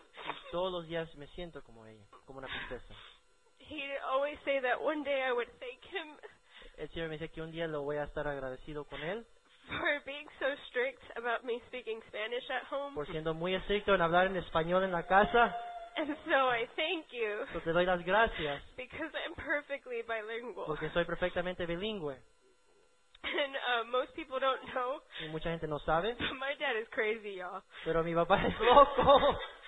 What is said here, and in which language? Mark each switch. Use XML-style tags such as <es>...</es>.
<es>Y todos los días me siento como ella, como una princesa.</es> <en>He always say that one day I would thank him.</en> <es>Él siempre me dice que un día lo voy a estar agradecido con él.</es> <en>For being so strict about me speaking Spanish at home.</en> <es>Por siendo muy estricto en hablar en español en la casa.</es> <en>And so I thank you.</en> <es>So te doy las gracias.</es> <en>Because I'm perfectly bilingual.</en> <es>Porque soy perfectamente bilingüe.</es> <en>And most people don't know.</en> <es>Y mucha gente no sabe.</es> <en>But my dad is crazy, y'all.</en> <es>Pero mi papá es loco.</es>